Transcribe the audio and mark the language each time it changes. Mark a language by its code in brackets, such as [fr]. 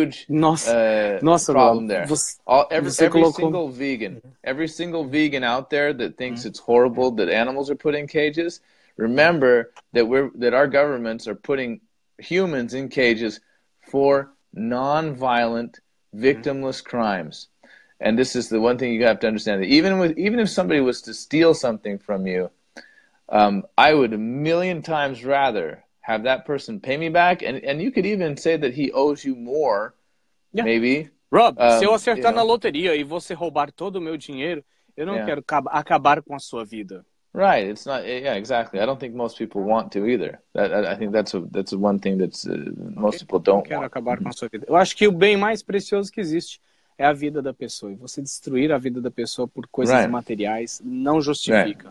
[en] That's a huge problem there. Every single vegan, every single vegan out there that thinks mm-hmm. it's horrible that animals are put in cages, remember that our governments are putting humans in cages for nonviolent, victimless mm-hmm. crimes. And this is the one thing you have to understand, that even if somebody was to steal something from you, I would a million times rather have that person pay me back, and you could even say that he owes you more, yeah. maybe. [pt] Rob, se eu acertar na loteria e você roubar todo o meu dinheiro, eu não quero acabar com a sua vida. [en] Right, it's not. Yeah, exactly. I don't think most people want to either. I think that's one thing that most people don't. [pt] Quero acabar com a sua vida. Eu acho que o bem mais precioso que existe é a vida da pessoa. E você destruir a vida da pessoa por coisas [en] right. [pt] materiais não justifica.